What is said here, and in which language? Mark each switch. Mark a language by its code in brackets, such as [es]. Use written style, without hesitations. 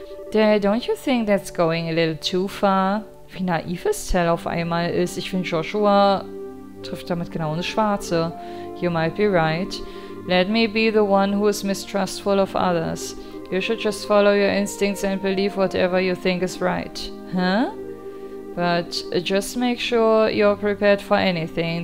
[en] Dad, don't you think that's going a little too far? [de] Wie naiv Estelle auf einmal ist, ich finde Joshua trifft damit genau eine Schwarze. [en] You might be right. Let me be the one who is mistrustful of others. You should just follow your instincts and believe whatever you think is right. Huh? But just make sure you're prepared for anything.